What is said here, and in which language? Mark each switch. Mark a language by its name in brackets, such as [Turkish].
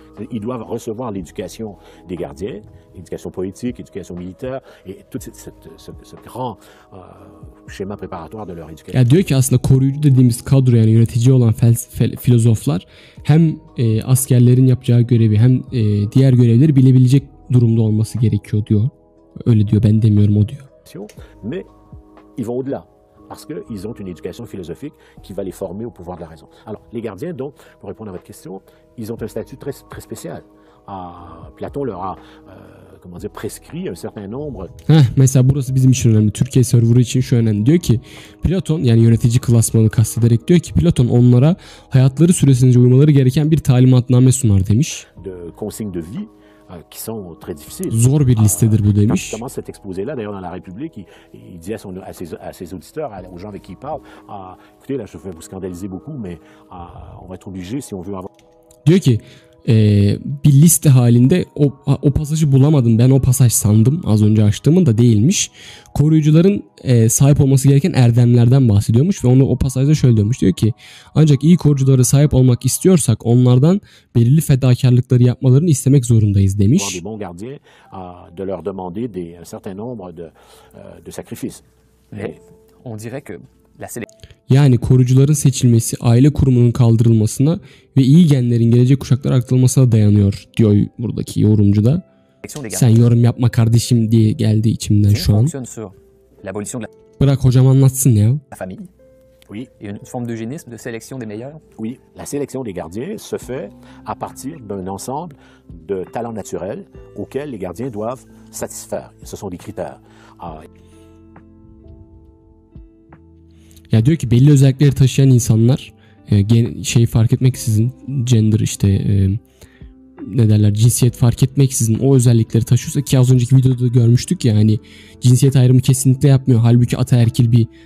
[French] Ils doivent recevoir l'éducation des gardiens, éducation politique, éducation militaire et tout ce grand schéma préparatoire de leur éducation. [Turkish] Ya diyor ki aslında koruyucu dediğimiz kadro, yani yönetici olan filozoflar hem askerlerin yapacağı görevi hem diğer görevleri bilebilecek durumda olması gerekiyor diyor. Öyle diyor, ben demiyorum, o diyor. [French] Mais ils vont au-delà parce que ils ont une éducation philosophique qui va les former au pouvoir de la raison. Alors les gardiens, donc pour répondre à votre question, ils ont un statut très très spécial. Platon leur a prescrit un certain nombre. [Turkish] Mesela burası bizim için önemli. Türkiye serverı için şu önemli. Diyor ki Platon, yani yönetici klasmanı kastederek, diyor ki Platon onlara hayatları süresince uymaları gereken bir talimatname sunar demiş. [French] De consignes de vie qui sont très difficiles. [Turkish] Zor bir listedir bu demiş. [French] Justement cet exposé là d'ailleurs dans la République, il dit à ses auditeurs, aux gens avec qui il parle, écoutez là je vais vous scandaliser beaucoup mais on va être obligé si on veut avoir. [Turkish] Diyor ki bir liste halinde o pasajı bulamadım. Ben o pasaj sandım az önce açtığımın da değilmiş. Koruyucuların sahip olması gereken erdemlerden bahsediyormuş. Ve onu o pasajda şöyle diyormuş. Diyor ki ancak iyi koruyuculara sahip olmak istiyorsak onlardan belirli fedakarlıkları yapmalarını istemek zorundayız demiş. [French] De leur demander un certain nombre de sacrifices. On dirait que la [Turkish] yani korucuların seçilmesi aile kurumunun kaldırılmasına ve iyi genlerin gelecek kuşaklara aktarılmasına dayanıyor diyor buradaki yorumcu da. Sen yorum yapma kardeşim diye geldi içimden şu an. Bırak hocam anlatsın ya. [French] Oui, il y a une forme d'eugénisme, de sélection des meilleurs. Oui, la sélection des gardiens se fait à partir d'un ensemble de talents naturels auxquels les gardiens doivent satisfaire. Ce sont des critères. [Turkish] Ya diyor ki belli özellikleri taşıyan insanlar şey fark etmeksizin, gender işte ne derler, cinsiyet fark etmeksizin o özellikleri taşıyorsa, ki az önceki videoda görmüştük ya, hani cinsiyet ayrımı kesinlikle yapmıyor. Halbuki ataerkil bir